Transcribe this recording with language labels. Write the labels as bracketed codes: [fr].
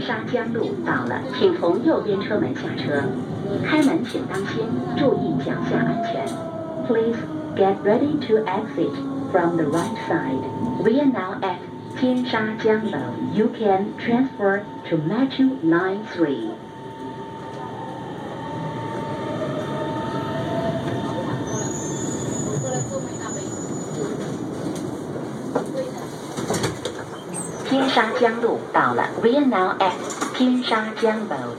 [zh] 江路到了，请从右边车门下车。开门请当心，注意脚下安全。 [en] Please get ready to exit from the right side. We are now at 金沙江楼。 You can transfer to Metro Line 3. [zh] 金沙江路到了。 [en] We are now at 金沙江路。